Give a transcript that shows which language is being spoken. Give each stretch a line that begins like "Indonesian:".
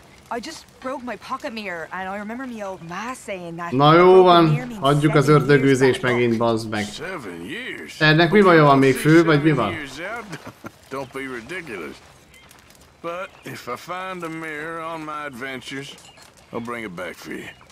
English: I just broke my pocket mirror, and I remember me old ma saying that.
Hungarian: Na jó van, hagyjuk az ördögűzést megint, bazd meg. Ennek mi baja van, még fő, vagy mi van?
English: Don't be ridiculous. But if I find a mirror on my adventures, I'll bring it back for you.